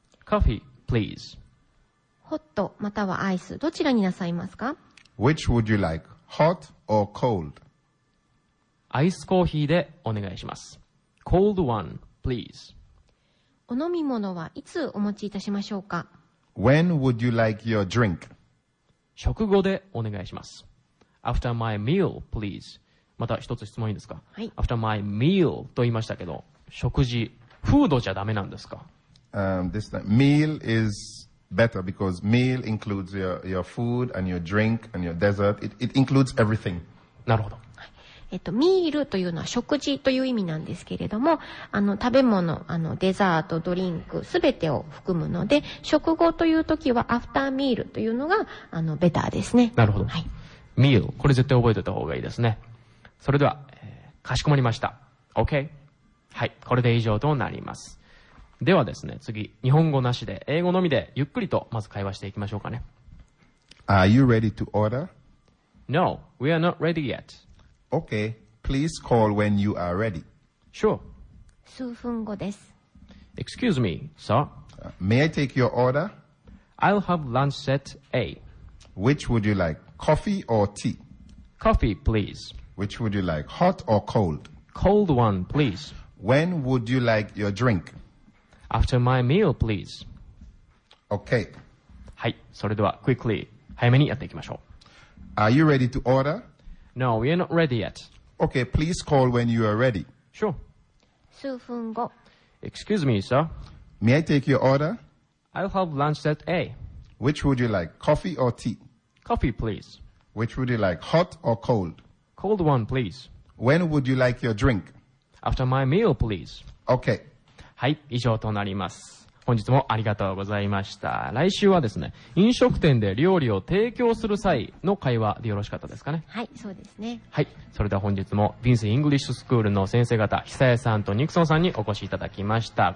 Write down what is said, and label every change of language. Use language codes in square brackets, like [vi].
[en] Coffee, please. [ja] ホットまたはアイスどちらになさいますか [en] ?Which would you like? Hot or cold? [ja] アイスコーヒーでお願いします。 [en] Cold one, please. [ja] お飲み物はいつお持ちいたしましょうか [en] ?When would you like your drink? [ja] 食後でお願いします。 [en] After my meal, please. [ja] また一つ質問いいですか、はい、 [en] After my meal [ja] と言いましたけど、食事、フードじゃダメなんですか、 [en] this time, meal is better because meal includes your food and your drink and your dessert. It includes everything. [ja] なるほど。 meal というのは食事という意味なんですけれども、食べ物、デザート、ドリンク、すべてを含むので、食後という時は [en] after meal [ja] というのが、ベターですね。なるほど。はい。 meal これ絶対覚えておいた方がいいですね。それでは、かしこまりました。 [en] OK? [ja] はい、これで以上となります。ではですね、次、日本語なしで、英語のみで、ゆっくりとまず会話していきましょうかね。 [en] Are you ready to order? No, we are not ready yet. OK, please call when you are ready. Sure. [ja] 数分後です。 [en] Excuse me, sir. May I take your order? I'll have lunch set A. Which would you like? Coffee or tea? Coffee, please. Which would you like, hot or cold? Cold one, please. When would you like your drink? After my meal, please. Okay. [ja] はい、それでは quickly 早めにやっていきましょう。 [en] Are you ready to order? No, we are not ready yet. Okay, please call when you are ready. Sure. [ja] 数分後。 [en] Excuse me, sir. May I take your order? I'll have lunch set A. Which would you like, coffee or tea? Coffee, please. Which would you like, hot or cold? Cold one, please. When would you like your drink? After my meal, please. Okay. [ja] はい、以上となります。本日もありがとうございました。来週はですね、飲食店で料理を提供する際の会話でよろしかったですかね。はい、そうですね。はい、それでは本日もヴィンス・イングリッシュスクールの先生方、久江さんとニクソンさんにお越しいただきました。